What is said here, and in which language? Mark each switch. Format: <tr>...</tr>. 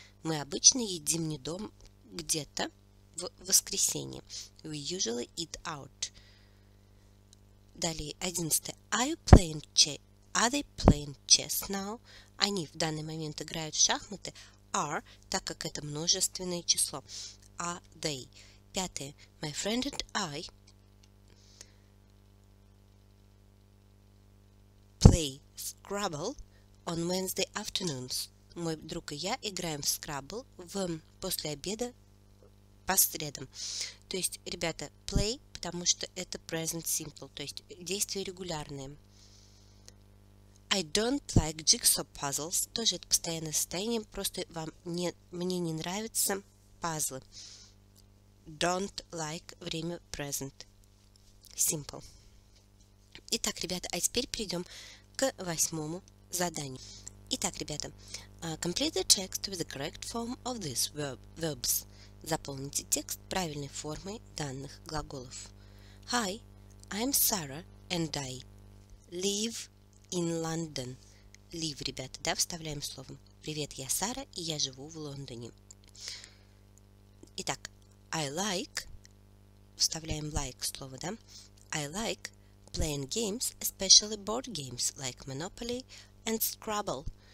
<ru>Мы обычно едим не дома, где-то в воскресенье.</ru> <en>We usually eat out.</en> <ru>Далее, 11.</ru> <en>Are you playing chess? Are they playing chess now?</en> <ru>Они в данный момент играют в шахматы. Are, так как это множественное число.</ru> <en>Are they? 5. My friend and I play Scrabble on Wednesday afternoons.</en> <ru>Мой друг и я играем в Scrabble после обеда по средам. То есть, ребята, play, потому что это present simple, то есть действия регулярные.</ru> <en>I don't like jigsaw puzzles.</en> <ru>Тоже это постоянное состояние, просто мне не нравятся пазлы.</ru> <en>Don't like</en> <ru>— время present simple. Итак, ребята, а теперь перейдем к восьмому заданию. Итак, ребята,</ru> <en>complete the text with the correct form of these verbs.</en> <ru>Заполните текст правильной формой данных глаголов.</ru> <en>Hi, I'm Sarah and I live in London.</en> <ru>Live, ребята, да, вставляем словом. Привет, я Сара, и я живу в Лондоне. Итак,</ru> <en>I like,</en> <ru>вставляем like слово, да.</ru> <en>I like playing games, especially board games, like Monopoly and Scrabble.</en>